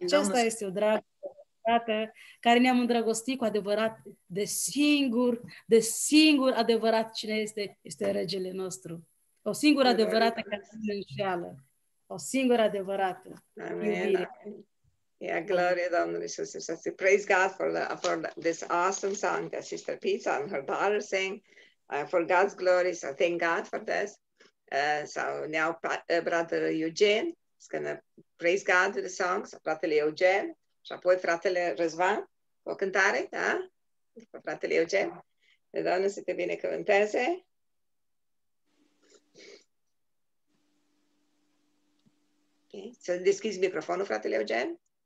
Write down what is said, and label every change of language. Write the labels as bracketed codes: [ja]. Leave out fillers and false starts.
[ro] Acesta este o dragoste care ne-am îndrăgostit cu adevărat de singur, de singur adevărat cine este, este regele nostru. O singură adevărată care nu înșeală. O singură adevărată. Amin. Amin. Yeah, glorie Domnului Iisus Hristos. [en] Praise God for this awesome song that Sister Pizza and her daughter sing. For God's glory, so thank God for this. So now Brother Eugene is going to praise God with the songs. [ro] Fratele Eugen și apoi fratele Răzvan cu o cântare, da? Fratele Eugen. Doamne să te binecuvânteze. Okay. Să deschizi microfonul, fratele Eugen.